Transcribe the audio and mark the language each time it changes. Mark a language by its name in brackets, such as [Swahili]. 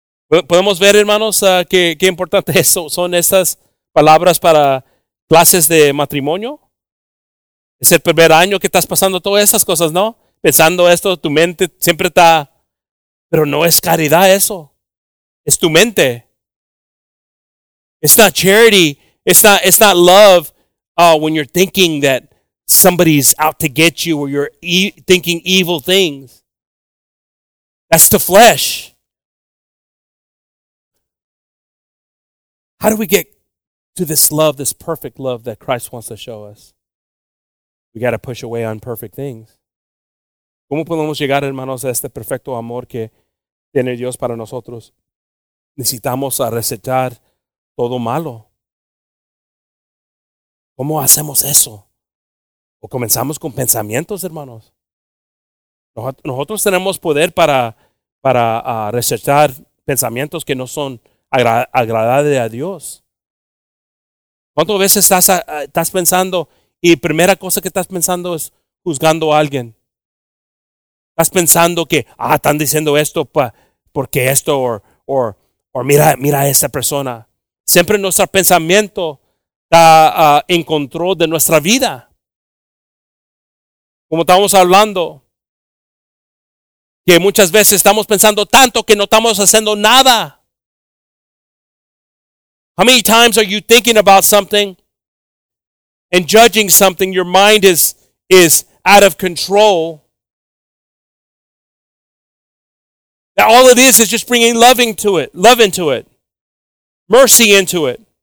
[Spanish] ¿Podemos ver, hermanos, qué importantes son estas palabras para clases de matrimonio? Es el primer año que estás pasando todas esas cosas, ¿no? Pensando esto, tu mente siempre está, pero no es caridad eso. Es tu mente. [English] It's not charity. It's not love when you're thinking that somebody's out to get you or you're thinking evil things. That's the flesh. How do we get to this love, this perfect love that Christ wants to show us? We got to push away unperfect things. [Spanish] ¿Cómo podemos llegar, hermanos, a este perfecto amor que tiene Dios para nosotros? Necesitamos a recetar todo malo. ¿Cómo hacemos eso? ¿O comenzamos con pensamientos, hermanos? Nosotros tenemos poder para recetar pensamientos que no son agradables a Dios. ¿Cuántas veces estás pensando y primera cosa que estás pensando es juzgando a alguien? Estás pensando que, están diciendo esto porque esto o mira a esa persona. Siempre nuestro pensamiento está en control de nuestra vida. Como estamos hablando, que muchas veces estamos pensando tanto que no estamos haciendo nada. [English] How many times are you thinking about something and judging something? Your mind is out of control. All it is just bringing love into it, mercy into it.